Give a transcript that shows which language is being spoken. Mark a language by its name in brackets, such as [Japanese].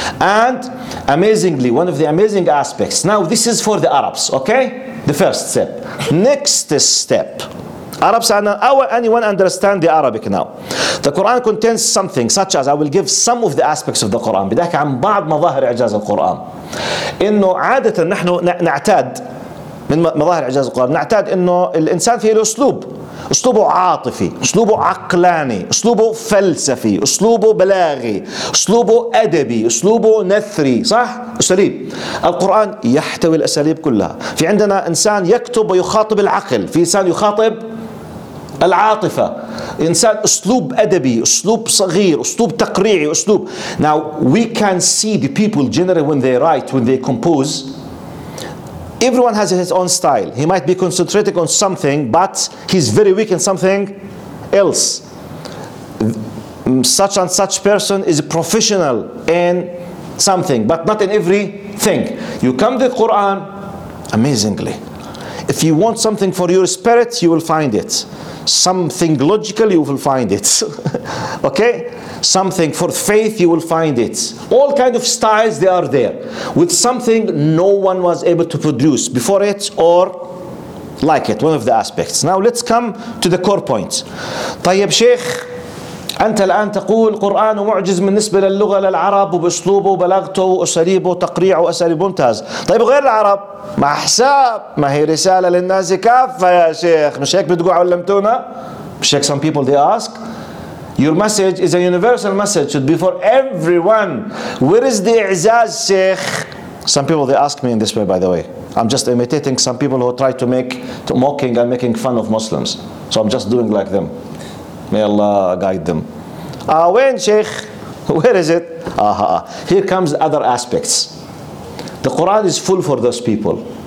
[English] And amazingly, one of the amazing aspects. Now, this is for the Arabs, okay? The first step. Next step. Arabs, anyone understand the Arabic now? The Quran contains something such as, I will give some of the aspects of the Quran. [Arabic] بدأك عن بعض مظاهر إعجاز القرآن. إنه عادة نحن نعتاد من مظاهر إعجاز القرآن. نعتاد إنه الإنسان فيه الأسلوب. أسلوبه عاطفي. أسلوبه عقلاني. أسلوبه فلسفي. أسلوبه بلاغي. أسلوبه أدبي. أسلوبه نثري. صح؟ أسليب. القرآن يحتوي الأساليب كلها. في عندنا إنسان يكتب ويخاطب العقل. في إنسان يخاطب العاطفة إنسان أسلوب أدبي، أسلوب صغير، أسلوب تقريعي، أسلوب. [English] Now we can see the people generally when they write, when they compose. Everyone has his own style. He might be concentrating on something, but he's very weak in something else. Such and such person is a professional in something, but not in everything. You come to the Quran, amazingly. If you want something for your spirit, you will find it. Something logical, you will find it. Okay? Something for faith, you will find it. All kind of styles, they are there. With something no one was able to produce before it or like it, one of the aspects. Now let's come to the core point. [Arabic] طيب شيخ, أنت الآن تقول القرآن معجز بالنسبة للغة للعرب وبأسلوبه وبلاغته وأساليبه وتقريعه وأساليبه ممتاز. طيب غير العرب مع حساب, ما هي رسالة للناس كافة يا شيخ, مش هيك بتقول علمتونا؟ مش هيك [English] some people they ask, your message is a universal message, should be for everyone. Where is the إعزاز شيخ؟ Some people they ask me in this way, by the way. I'm just imitating some people who try to mocking and making fun of Muslims. So I'm just doing like them. May Allah guide them. When Sheikh, where is it? Here comes other aspects. The Quran is full for those people.